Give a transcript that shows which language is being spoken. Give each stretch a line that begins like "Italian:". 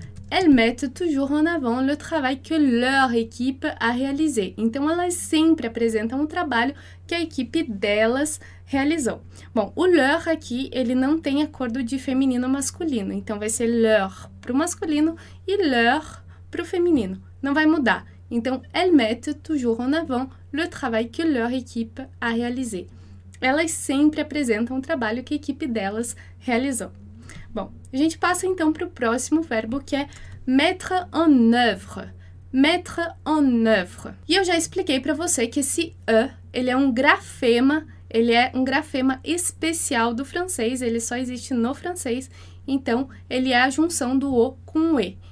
French: Elles mettent toujours en avant le travail que leur équipe a réalisé.
Portuguese: Então, elas sempre apresentam o trabalho que a equipe delas realizou. Bom, o leur aqui, ele não tem acordo de feminino masculino. Então, vai ser leur para o masculino e leur para o feminino. Não vai mudar. Então,
French: elles mettent toujours en avant le travail que leur équipe a réalisé.
Portuguese: elas sempre apresentam o trabalho que a equipe delas realizou. Bom, a gente passa então para o próximo verbo, que é mettre en œuvre. Mettre en œuvre. E eu já expliquei para você que esse ele é um grafema, ele é um grafema especial do francês, ele só existe no francês, então ele é a junção do o com o e.